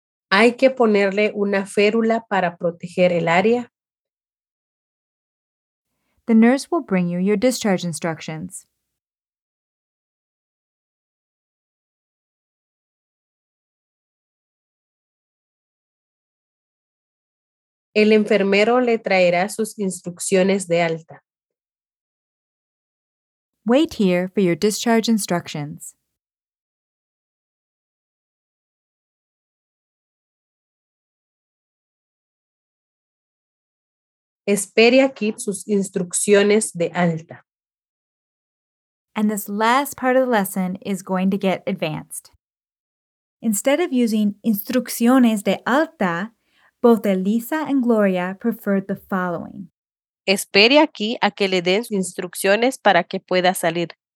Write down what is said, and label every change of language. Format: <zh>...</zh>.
<es>Hay que ponerle una férula para proteger el área.</es> <en>The nurse will bring you your discharge instructions.</en> <es>El enfermero le traerá sus instrucciones de alta.</es> <en>Wait here for your discharge instructions.</en> <es>Espere aquí sus instrucciones de alta.</es> <en>And this last part of the lesson is going to get advanced. Instead of using</en> <es>instrucciones de alta,</es> <en>Both Elisa and Gloria preferred the following.</en> <es>Espere aquí a que le den instrucciones para que pueda salir.</es>